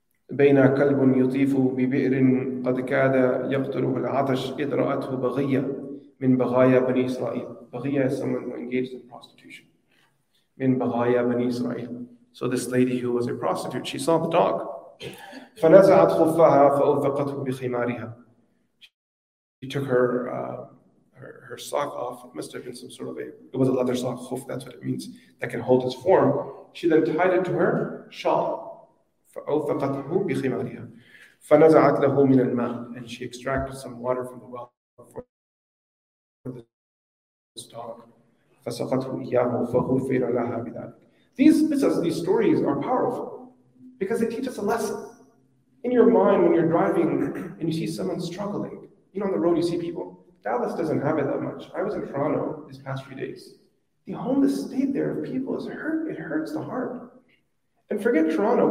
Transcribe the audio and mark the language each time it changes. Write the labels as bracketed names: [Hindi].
[Arabic] بين كلب يطيف ببئر قد كاد يقتله العطش إذ رأته بغية من بغايا بني إسرائيل. [English] بغية is someone who engaged in prostitution. [Arabic] من بغايا بني إسرائيل. [English] So this lady who was a prostitute, she saw the dog. [Arabic] فنزعت خفها فأوثقته بخمارها. [English] She took her sock off. It must have been some sort of it was a leather sock, خف, that's what it means, that can hold its form. She then tied it to her shawl. [Arabic] فأوثقته بخمارها. فنزعت له من الماء. [English] And she extracted some water from the well for this dog. [Arabic] فسقته إياه فغفر لها بذلك. [English] These stories are powerful, because they teach us a lesson. In your mind, when you're driving and you see someone struggling, you know, on the road you see people. Dallas doesn't have it that much. I was in Toronto these past few days. The homeless state there of people is hurt. It hurts the heart. And forget Toronto.